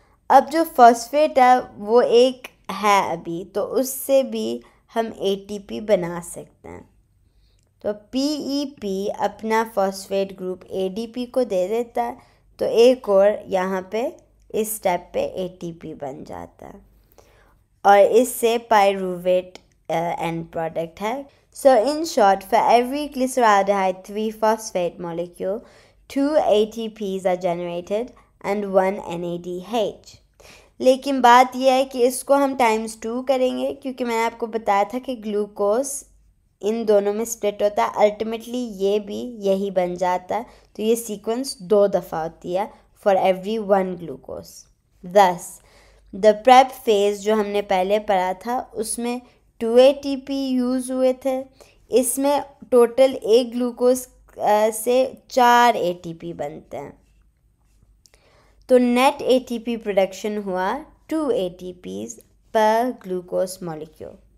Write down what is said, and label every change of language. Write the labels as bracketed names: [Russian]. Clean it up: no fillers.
[Hindi] अब जो फॉस्फेट है वो एक है अभी, तो उससे भी हम ATP बना सकते हैं. तो PEP अपना फॉस्फेट ग्रुप ADP को दे देता है तो एक और यहाँ पे इस स्टेप पे ATP बन जाता है और इससे पाइरूवेट एंड प्रोडक्ट है. [English] So in short, for every glyceraldehyde 3-phosphate molecule, 2 ATPs are generated and 1 NADH. [Hindi] लेकिन बात यह है कि इसको हम times 2 करेंगे क्योंकि मैंने आपको बताया था कि glucose इन दोनों में split होता है. Ultimately ये भी यही बन जाता है, तो ये sequence 2 दफ़ा होती है [English] for every 1 glucose. Thus, the prep phase [Hindi] जो हमने पहले पढ़ा था उसमें 2 ATP यूज हुए थे, इसमें टोटल एक ग्लूकोज से 4 ATP बनते हैं, तो नेट एटीपी प्रोडक्शन हुआ 2 ATPs पर ग्लूकोज मॉलिक्यूल।